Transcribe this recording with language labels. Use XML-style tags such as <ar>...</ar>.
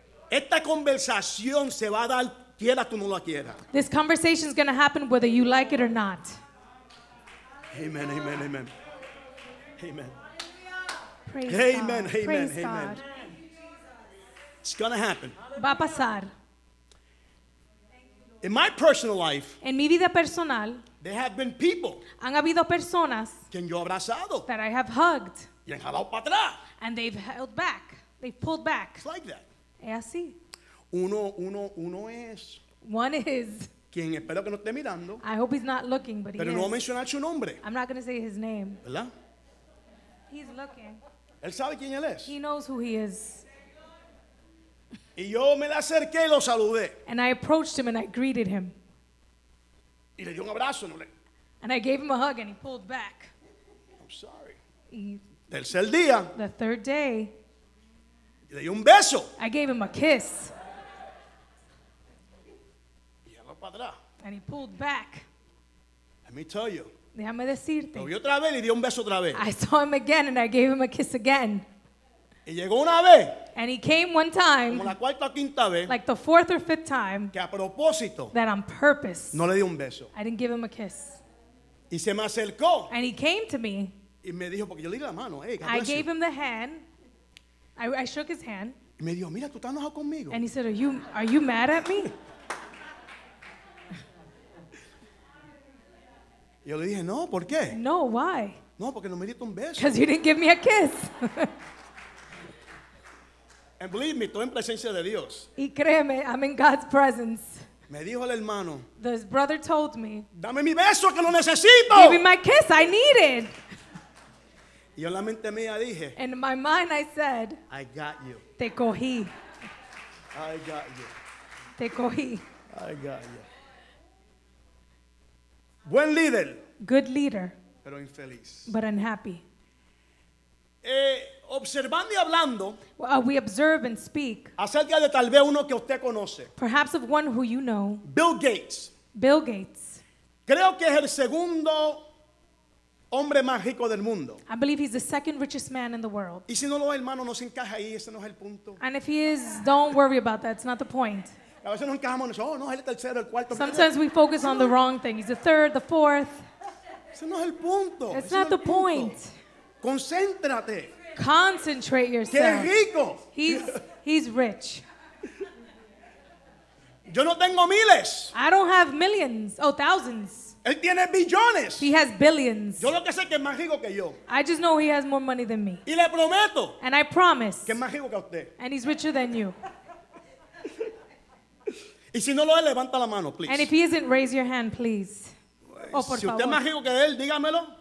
<es>Esta conversación se va a dar quiera tú no la quieras.</es> <en>This conversation is going to happen whether you like it or not. Amen, amen, amen. Amen. Praise amen, God. Amen, praise amen. God. It's going to happen.</en> <es>Va a pasar.</es> <en>In my personal life,</en> <es>en mi vida personal,</es> <en>there have been people,</en> <es>han habido personas, que yo he abrazado,</es> <en>that I have hugged,</en> <es>y han jalado para atrás,</es> <en>and they've held back, they've pulled back. It's like that.</en> <es>Es así. Uno es.</es> <en>One is.</en> <es>Quien espero que no esté mirando.</es> <en>I hope he's not looking, but he is.</en> <es>Pero no voy a mencionar su nombre.</es> <en>I'm not going to say his name.</en> <es>¿Verdad?</es> <en>He's looking.</en> <es>Él sabe quién él es.</es> <en>He knows who he is.</en> <es>Y yo me le acerqué y lo saludé.</es> <en>And I approached him and I greeted him.</en> <es>Y le di un abrazo, no le.</es> <en>And I gave him a hug and he pulled back. I'm sorry.</en> <es>Tercer día.</es> <en>The third day.</en> <es>Le di un beso.</es> <en>I gave him a kiss.</en> <es>Y él va para atrás.</es> <en>And he pulled back. Let me tell you.</en> <es>Déjame decirte. Lo vi otra vez y di un beso otra vez.</es> <en>I saw him again and I gave him a kiss again.</en> <es>Y llegó una vez.</es> <en>And he came one time.</en> <es>Como la cuarta o quinta vez.</es> <en>Like the fourth or fifth time.</en> <es>Que a propósito.</es> <en>That on purpose.</en> <es>No le di un beso.</es> <en>I didn't give him a kiss.</en> <es>Y se me acercó.</es> <en>And he came to me.</en> <es>Y me dijo porque yo le di la mano. Hey,</es> <en>I gave him the hand. I shook his hand.</en> <es>Y me dijo, mira, ¿tú estás enojado conmigo?</es> <en>And he said, are you mad at me?</en> <es>Yo le dije, no, ¿por qué?</es> <en>No, why?</en> <es>No, porque no me diste un beso.</es> <en>Because you didn't give me a kiss. And believe me,</en> <es>estoy en presencia de Dios. Y créeme,</es> <en>I'm in God's presence.</en> <es>Me dijo el hermano.</es> <en>This brother told me.</en> <es>Dame mi beso que lo necesito.</es> <en>Give me my kiss, I need it.</en> <es>Y en la mente mía dije,</es> <en>in my mind I said, I got you.</en> <es>Te cogí.</es> <en>I got you.</en> <es>Te cogí.</es> <en>I got you.</en> <es>Buen líder.</es> <en>Good leader.</en> <es>Pero infeliz.</es> <en>But unhappy.</en> <es>Observando y hablando,</es> <en>we observe and speak.</en> <es>Acerca de tal vez uno que usted conoce.</es> <en>Perhaps of one who you know. Bill Gates. Bill Gates.</en> <es>Creo que es el segundo hombre más rico del mundo.</es> <en>I believe he's the second richest man in the world.</en> <es>Y si no lo es, hermano, no se encaja ahí, ese no es el punto.</es> <en>And if he is, don't worry about that. It's not the point.</en> <es>A veces nos encajamos en eso. Oh, no, él es el tercero, el cuarto.</es> <en>Sometimes we focus on the wrong thing. He's the third, the fourth.</en> <es>Ese no es el punto.</es> <en>It's not the point.</en> <es>Concéntrate.</es> <en>Concentrate yourself.</en> <es>Qué rico.</es> <en>He's rich.</en> <es>Yo no tengo miles.</es> <en>I don't have millions. Oh, thousands.</en> <es>Él tiene billones.</es> <en>He has billions.</en> <es>Yo lo que sé que es más rico que yo.</es> <en>I just know he has more money than me.</en> <es>Y le prometo.</es> <en>And I promise.</en> <es>Que es más rico que usted.</es> <en>And he's richer than you.</en> <es>Y si no lo es, levanta la mano, please.</es> <en>And if he isn't, raise your hand, please.</en> <es>Oh, por favor. Si usted es más rico que él, dígamelo.</es>